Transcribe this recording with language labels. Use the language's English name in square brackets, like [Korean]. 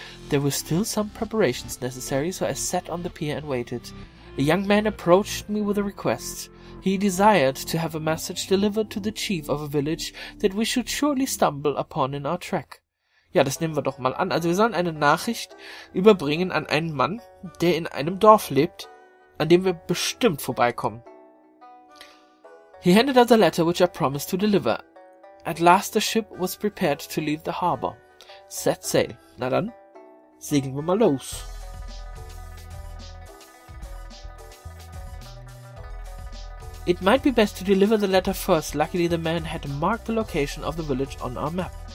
[English] There were still some preparations necessary, so I sat on the pier and waited. A young man approached me with a request. He desired to have a message delivered to the chief of a village that we should surely stumble upon in our trek. [German] Ja, das nehmen wir doch mal an. Also wir sollen eine Nachricht überbringen an einen Mann, der in einem Dorf lebt, an dem wir bestimmt vorbeikommen. [English] He handed us a letter which I promised to deliver. At last the ship was prepared to leave the harbor. Set sail. [German] Na dann, segeln wir mal los. [English] It might be best to deliver the letter first. Luckily the man had marked the location of the village on our map.